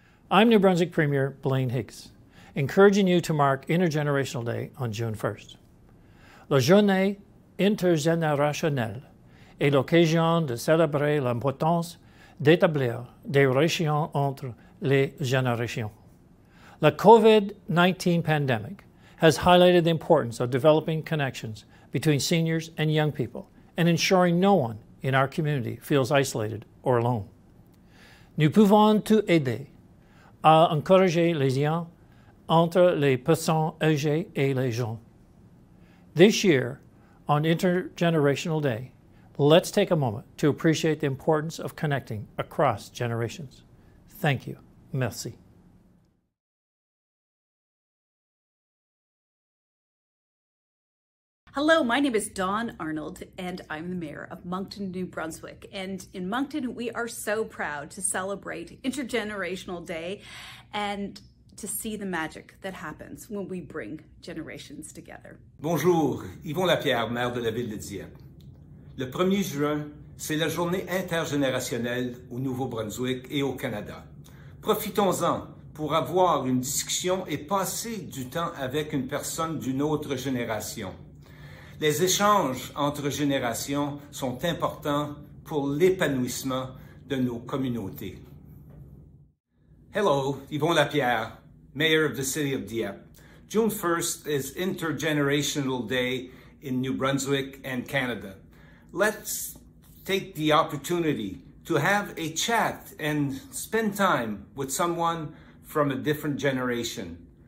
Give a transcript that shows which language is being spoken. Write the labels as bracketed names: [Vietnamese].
[English] I'm New Brunswick Premier Blaine Higgs, encouraging you to mark Intergenerational Day on June 1st. [French] La journée intergénérationnelle est l'occasion de célébrer l'importance d'établir des relations entre les générations. [English] The COVID-19 pandemic has highlighted the importance of developing connections between seniors and young people and ensuring no one in our community feels isolated or alone. [French] Nous pouvons tout aider à encourager les liens entre les personnes âgées et les gens. [English] This year, on Intergenerational Day, let's take a moment to appreciate the importance of connecting across generations. Thank you. [French] Merci. [English] Hello, my name is Dawn Arnold, and I'm the mayor of Moncton, New Brunswick. And in Moncton, we are so proud to celebrate Intergenerational Day and to see the magic that happens when we bring generations together. [French] Bonjour, Yvon Lapierre, maire de la ville de Dieppe. Le 1er juin, c'est la journée intergénérationnelle au Nouveau-Brunswick et au Canada. Profitons-en pour avoir une discussion et passer du temps avec une personne d'une autre génération. Les échanges entre générations sont importants pour l'épanouissement de nos communautés. [English] Hello, Yvon Lapierre, mayor of the city of Dieppe. June 1st is Intergenerational Day in New Brunswick and Canada. Let's take the opportunity to have a chat and spend time with someone from a different generation.